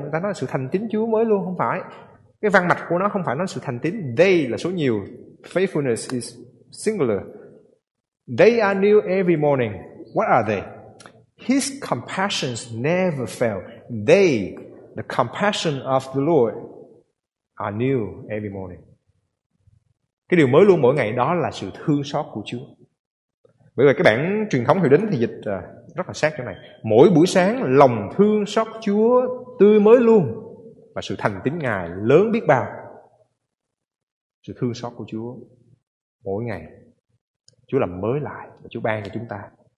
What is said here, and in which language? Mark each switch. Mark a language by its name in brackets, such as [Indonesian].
[Vietnamese] Người ta nói là sự thành tín Chúa mới luôn, không phải. Cái văn mạch của nó không phải nói sự thành tín. [English] They [Vietnamese] là số nhiều, [English] faithfulness is singular. They are new every morning. What are they? His compassions never fail. They, the compassion of the Lord, are new every morning. [Vietnamese] Cái điều mới luôn mỗi ngày đó là sự thương xót của Chúa. Bởi vì cái bản truyền thống hiệu đính thì dịch rất là sát chỗ này. Mỗi buổi sáng lòng thương xót Chúa tươi mới luôn, và sự thành tín Ngài lớn biết bao. Sự thương xót của Chúa mỗi ngày Chúa làm mới lại và Chúa ban cho chúng ta.